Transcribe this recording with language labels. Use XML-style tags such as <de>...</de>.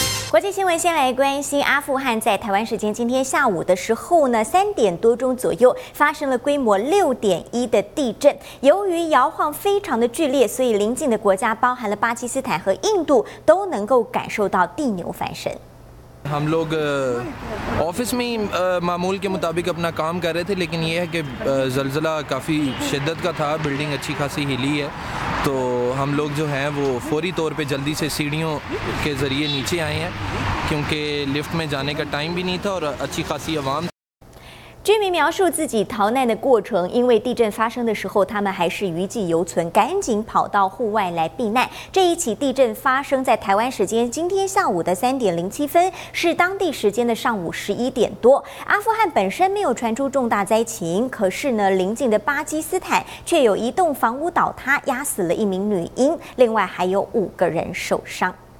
<zh>国际新闻先来关心，阿富汗在台湾时间今天下午的时候呢，3点多钟左右发生了规模6.1的地震。由于摇晃非常的剧烈，所以邻近的国家包含了巴基斯坦和印度都能够感受到地牛翻身。</zh> <hi>हम लोग ऑफिस में मामूल के मुताबिक अपना काम कर रहे थे, लेकिन ये है कि जलजला काफी शिद्दत का था, बिल्डिंग अच्छी खासी हिली है, तो हम लोग जो हैं वो फौरी तौर पे जल्दी से सीढ़ियों के जरिए नीचे आए हैं, क्योंकि लिफ्ट में जाने का टाइम भी नहीं था और अच्छी खासी आवाम।</hi> <zh>居民描述自己逃难的过程，因为地震发生的时候他们还是余悸犹存，赶紧跑到户外来避难。这一起地震发生在台湾时间今天下午的3点07分，是当地时间的上午11点多。阿富汗本身没有传出重大灾情，可是呢，邻近的巴基斯坦却有一栋房屋倒塌，压死了一名女婴，另外还有5个人受伤。</zh>